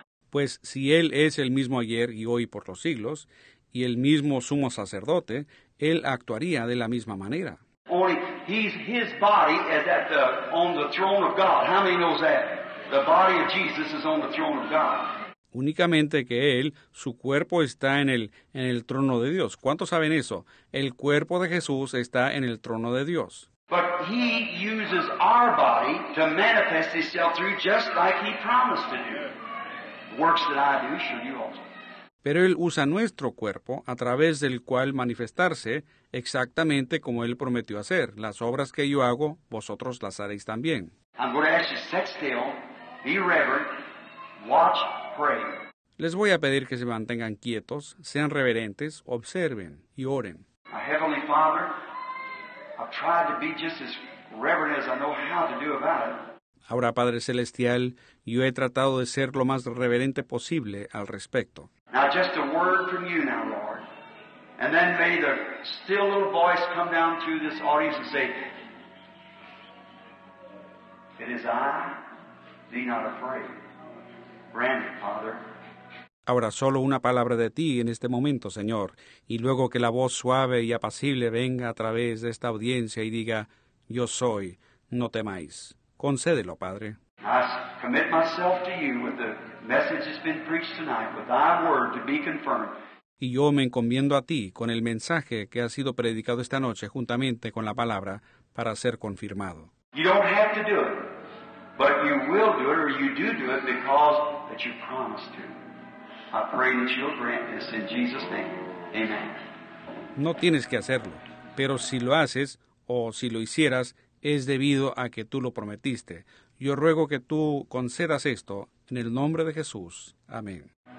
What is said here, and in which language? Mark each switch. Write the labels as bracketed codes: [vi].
[es] Pues si él es el mismo ayer y hoy por los siglos, y el mismo sumo sacerdote, él actuaría de la misma manera. [en] Only he's, his body is at the, on the throne of God. How many knows that? The body of Jesus is on the throne of God. [es] Únicamente que él, su cuerpo está en el trono de Dios. ¿Cuántos saben eso? El cuerpo de Jesús está en el trono de Dios. [en] But he uses our body to manifest himself through, just like he promised to do. Works that I do, show you also. [es] Pero él usa nuestro cuerpo a través del cual manifestarse exactamente como él prometió hacer. Las obras que yo hago, vosotros las haréis también. [en] I'm going to ask you to sit still, be reverent, watch, pray. [es] Les voy a pedir que se mantengan quietos, sean reverentes, observen y oren. [en] My Heavenly Father, I've tried to be just as reverent as I know how to do about it. [es] Ahora, Padre Celestial, yo he tratado de ser lo más reverente posible al respecto. [en] Now, just a word from you now, Lord. And then may the still little voice come down through this audience and say, it is I, be not afraid. Grant it, Father. [es] Ahora, solo una palabra de ti en este momento, Señor. Y luego que la voz suave y apacible venga a través de esta audiencia y diga, yo soy, no temáis. Concédelo, Padre. [en] I commit myself to you with the message that's been preached tonight, with thy word to be confirmed. [es] Y yo me encomiendo a ti con el mensaje que ha sido predicado esta noche juntamente con la palabra para ser confirmado. [en] You don't have to do it, but you will do it, or you do do it because that you promised to. I pray that you'll grant this in Jesus' name. Amen. [es] No tienes que hacerlo, pero si lo haces o si lo hicieras, es debido a que tú lo prometiste. Yo ruego que tú concedas esto en el nombre de Jesús. Amén.